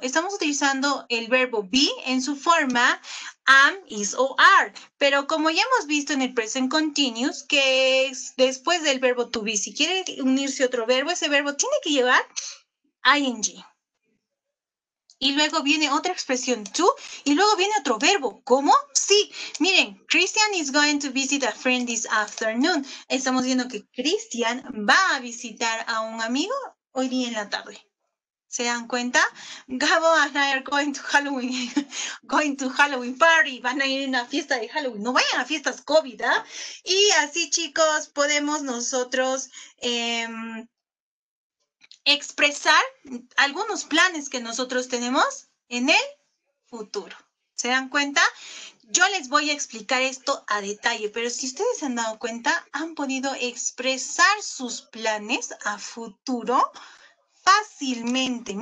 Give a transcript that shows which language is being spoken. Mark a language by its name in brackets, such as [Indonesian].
[Spanish] Estamos utilizando el verbo be en su forma am, is o are. Pero como ya hemos visto en el present continuous, que es después del verbo to be, si quiere unirse otro verbo, ese verbo tiene que llevar ing. Y luego viene otra expresión to, y luego viene otro verbo. ¿Cómo? Sí. Miren, [English] Christian is going to visit a friend this afternoon. [Spanish] Estamos viendo que Christian va a visitar a un amigo hoy día en la tarde. ¿Se dan cuenta? [English] Gabo and I are going to Halloween. Going to Halloween party. [Spanish] Van a ir a una fiesta de Halloween. No vayan a fiestas COVID, ¿eh? Y así, chicos, podemos nosotros expresar algunos planes que nosotros tenemos en el futuro. ¿Se dan cuenta? Yo les voy a explicar esto a detalle, pero si ustedes se han dado cuenta, han podido expresar sus planes a futuro fácilmente.